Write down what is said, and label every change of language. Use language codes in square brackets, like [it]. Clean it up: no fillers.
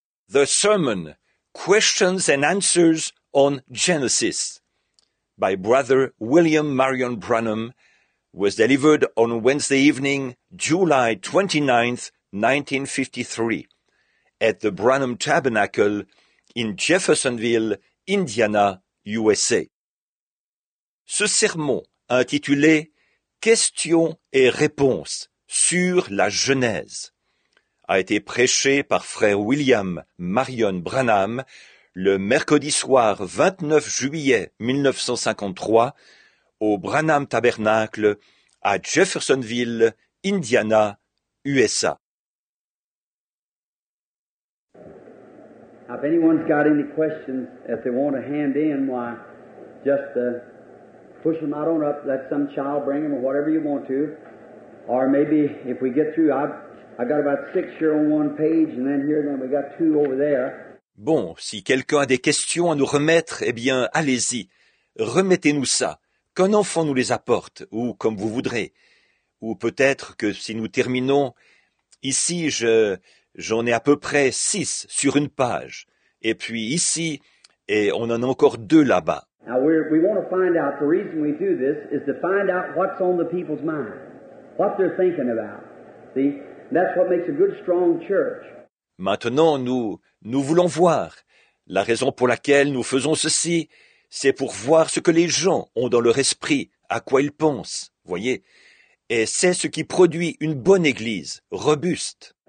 [en] The Sermon, Questions and Answers on Genesis, by Brother William Marion Branham, was delivered on Wednesday evening, July 29, 1953, at the Branham Tabernacle in Jeffersonville, Indiana, USA. [fr] Ce sermon, intitulé « Questions et réponses sur la Genèse », a été prêché par frère William Marion Branham le mercredi soir 29 juillet 1953 au Branham Tabernacle à Jeffersonville, Indiana, USA. [en] If anyone's got any questions, if they want to hand in, why, just push them out on up, let some child bring them or whatever you want to. Or maybe if we get through, I got about six here on one page, and then here, then we got two over there. [fr] Bon, si quelqu'un a des questions à nous remettre, eh bien, allez-y. Remettez-nous ça. Qu'un enfant nous les apporte, ou comme vous voudrez. Ou peut-être que si nous terminons, ici, j'en ai à peu près six sur une page. Et puis ici, et on en a encore deux là-bas. [en] Now, we want to find out, the reason we do this is to find out what's on the people's mind. What they're thinking about. See? That's what makes a good, strong church. [fr] Maintenant, nous voulons voir. La raison pour laquelle nous faisons ceci, c'est pour voir ce que les gens ont dans leur esprit, à quoi ils pensent, voyez. Et c'est ce qui produit une bonne église, robuste.